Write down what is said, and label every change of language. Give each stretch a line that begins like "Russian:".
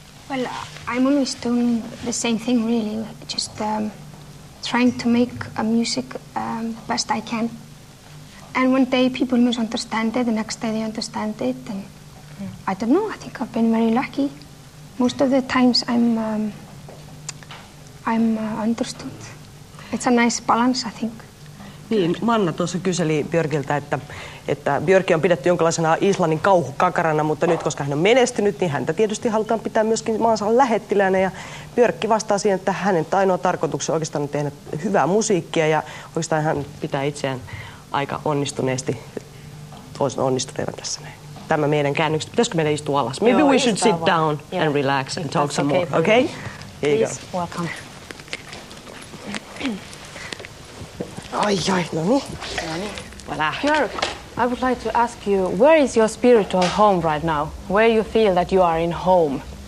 English: Well, I'm always doing the same thing, really. Just trying to make a music the best I can. And one day people misunderstand it, the next day they understand it. And I don't know, I think I've been very lucky. Most of the times I'm understood. It's a nice balance, I think.
Finnish: Niin, Manna tuossa kyseli Björkiltä, että Björk on pidetty jonkinlaisena Islannin kauhukakarana, mutta nyt koska hän on menestynyt, niin häntä tietysti halutaan pitää myöskin maansa lähettiläänä. Ja Björkki vastaa siihen, että hänen ainoa tarkoituksena oikeastaan on tehdä hyvää musiikkia ja oikeastaan hän pitää itseään aika onnistuneesti, voisin onnistuneena tässä näin. Tämä meidän käännöksi. Pitäisikö meidän istua alas?
English: Maybe we should sit down and relax and talk some more, okay? Here you go. Please, welcome.
Finnish: Ai, ai, no niin.
French: Voilà.
English: Björk, I would like to ask you, where is your spiritual home right now? Where you feel that you are in home?